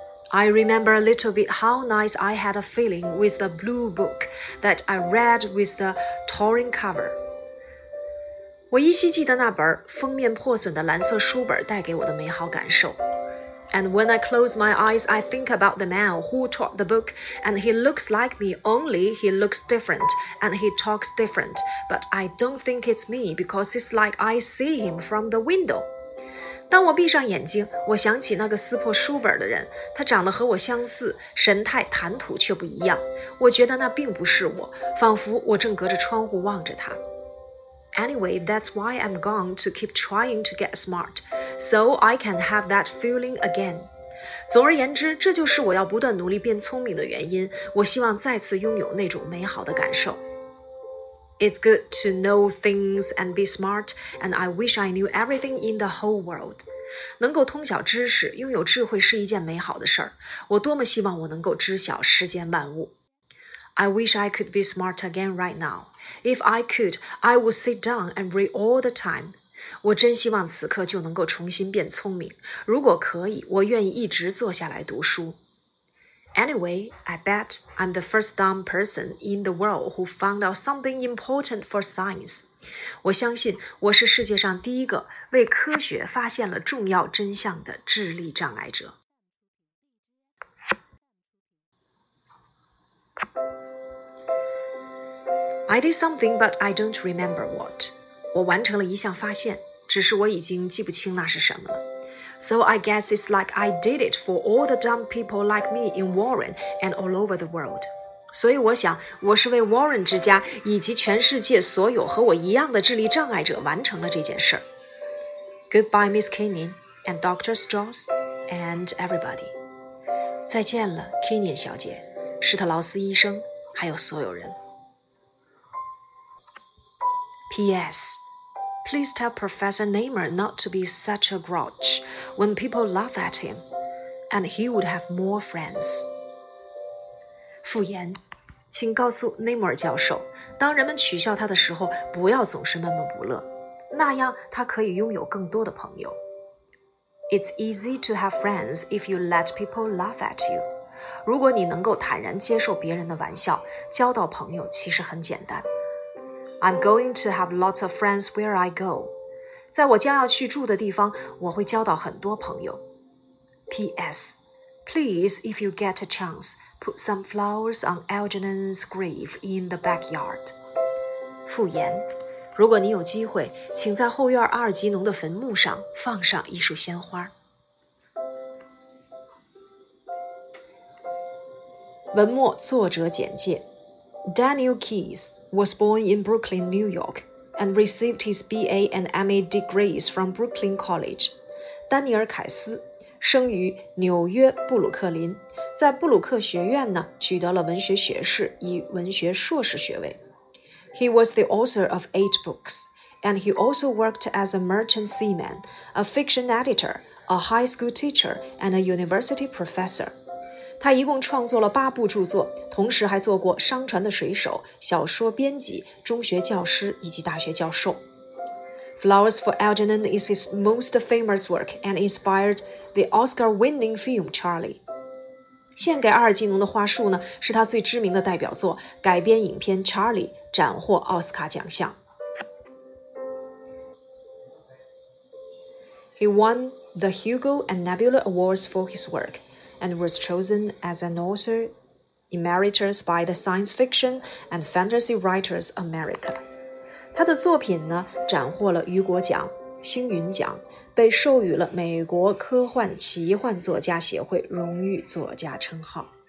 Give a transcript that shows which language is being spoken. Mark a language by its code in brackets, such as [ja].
[en] I remember a little bit how nice I had a feeling with the blue book that I read with the torn cover. [zh] 我依稀记得那本封面破损的蓝色书本带给我的美好感受。 [en] And when I close my eyes, I think about the man who taught the book, and he looks like me, only he looks different, and he talks different, but I don't think it's me, because it's like I see him from the window. [zh] 当我闭上眼睛，我想起那个撕破书本的人，他长得和我相似，神态谈吐却不一样。我觉得那并不是我，仿佛我正隔着窗户望着他。 [en] Anyway, that's why I'm going to keep trying to get smart, so I can have that feeling again. [zh] 总而言之，这就是我要不断努力变聪明的原因。我希望再次拥有那种美好的感受。 [en] It's good to know things and be smart, and I wish I knew everything in the whole world. [zh] 能够通晓知识，拥有智慧是一件美好的事儿。我多么希望我能够知晓世间万物。 [en] I wish I could be smart again right now. If I could, I would sit down and read all the time. [zh] 我真希望此刻就能够重新变聪明。如果可以，我愿意一直坐下来读书。 [en] Anyway, I bet I'm the first dumb person in the world who found out something important for science. [zh] 我相信我是世界上第一个为科学发现了重要真相的智力障碍者。 [en] I did something, but I don't remember what. [zh] 我完成了一项发现，只是我已经记不清那是什么了。 [en] So I guess it's like I did it for all the dumb people like me in Warren and all over the world. [zh] 所以我想，我是为 Warren 之家以及全世界所有和我一样的智力障碍者完成了这件事。 [en] Goodbye, Miss Kenyon and Dr. Strauss and everybody. [zh] 再见了 ，Kenyon 小姐，施特劳斯医生，还有所有人。 [en] P.S. Please tell Professor Namer not to be such a grouch when people laugh at him, and he would have more friends. [zh] 附言，请告诉 Namer 教授，当人们取笑他的时候，不要总是闷闷不乐，那样他可以拥有更多的朋友。 [en] It's easy to have friends if you let people laugh at you. [zh] 如果你能够坦然接受别人的玩笑，交到朋友其实很简单。 [en] I'm going to have lots of friends where I go. [zh] 在我将要去住的地方，我会交到很多朋友。 [en] P.S. Please, if you get a chance, put some flowers on Algernon's grave in the backyard. [zh] 附言，如果你有机会，请在后院阿尔吉农的坟墓上放上一束鲜花。文末作者简介。 [en] Daniel Keyes was born in Brooklyn, New York, and received his BA and MA degrees from Brooklyn College. [zh] 丹尼尔·凯斯生于纽约布鲁克林，在布鲁克学院呢，取得了文学学士以文学硕士学位。 [en] He was the author of 8 books, and he also worked as a merchant seaman, a fiction editor, a high school teacher, and a university professor. [zh] 他一共创作了八部著作，同时还做过商船的水手、小说编辑、中学教师以及大学教授。 [en] Flowers for Algernon is his most famous work and inspired the Oscar-winning film Charlie. [zh] 献给阿尔吉农的花束呢，是他最知名的代表作，改编影片 Charlie 斩获奥斯卡奖项。 [en] He won the Hugo and Nebula Awards for his work. And was chosen as an author emeritus by the Science Fiction and Fantasy Writers America. [zh] 他的作品呢，斩获了雨果奖、星云奖，被授予了美国科幻奇幻作家协会荣誉作家称号。